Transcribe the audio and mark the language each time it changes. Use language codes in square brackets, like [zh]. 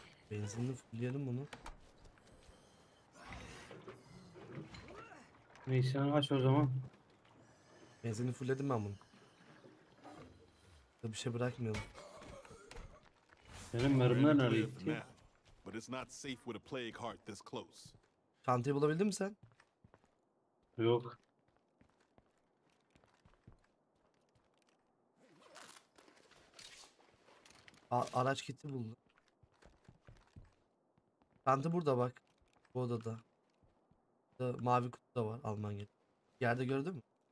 [tr] Benzinini fulleyelim bunu. Neyse aç o zaman. Benzinini fulledim ben bunu. Bir şey bırakmayalım. Benim mermiler nereye gitti? [en] But it's not safe with a plague heart this close. [tr] Çantayı bulabildin mi sen? Yok. Araç kiti buldum. Çanta burada bak. Bu odada. Burada mavi kutu da var. Alman git. Yerde gördün mü?